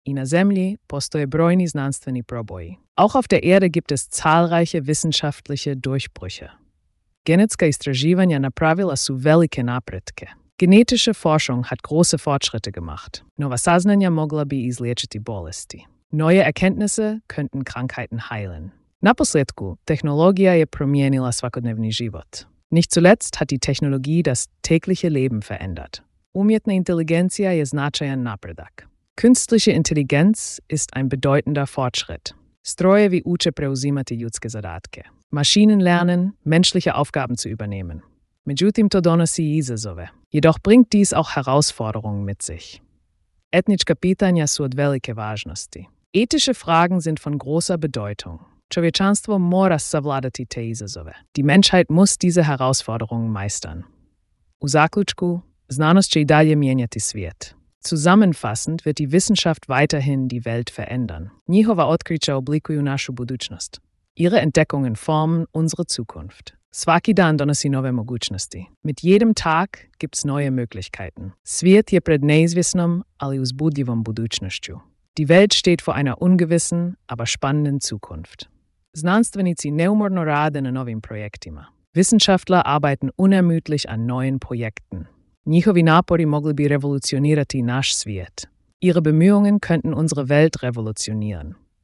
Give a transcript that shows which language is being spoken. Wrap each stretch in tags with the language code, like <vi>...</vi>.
<hr>I na Zemlji postoje brojni znanstveni proboji.</hr> <de>Auch auf der Erde gibt es zahlreiche wissenschaftliche Durchbrüche.</de> <hr>Genetska istraživanja napravila su velike napretke.</hr> <de>Genetische Forschung hat große Fortschritte gemacht.</de> <hr>Nova saznanja mogla bi izliječiti bolesti.</hr> <de>Neue Erkenntnisse könnten Krankheiten heilen.</de> <hr>Naposljetku, tehnologija je promijenila svakodnevni život.</hr> <de>Nicht zuletzt hat die Technologie das tägliche Leben verändert.</de> <hr>Umjetna inteligencija je značajan napredak.</hr> <de>Künstliche Intelligenz ist ein bedeutender Fortschritt.</de> <hr>Strojevi uče preuzimati ljudske zadatke.</hr> <de>Maschinen lernen, menschliche Aufgaben zu übernehmen.</de> <hr>Međutim, to donosi izazove.</hr> <de>Jedoch bringt dies auch Herausforderungen mit sich.</de> <hr>Etnička pitanja su od velike važnosti.</hr> <de>Ethische Fragen sind von großer Bedeutung.</de> <hr>Čovječanstvo mora savladati te izazove.</hr> <de>Die Menschheit muss diese Herausforderungen meistern.</de> <hr>U zaključku, znanost će i dalje mijenjati svijet.</hr> <de>Zusammenfassend wird die Wissenschaft weiterhin die Welt verändern.</de> <hr>Njihova otkrića oblikuju našu budućnost.</hr> <de>Ihre Entdeckungen formen unsere Zukunft.</de> <hr>Svaki dan donosi nove mogućnosti.</hr> <de>Mit jedem Tag gibt's neue Möglichkeiten.</de> <hr>Svijet je pred neizvjesnom, ali uzbudljivom budućnošću.</hr> <de>Die Welt steht vor einer ungewissen, aber spannenden Zukunft.</de> <hr>Znanstvenici neumorno rade na novim projektima.</hr> <de>Wissenschaftler arbeiten unermüdlich an neuen Projekten.</de> <hr>Njihovi napori mogli bi revolucionirati naš svijet.</hr> <de>Ihre Bemühungen könnten unsere Welt revolutionieren.</de>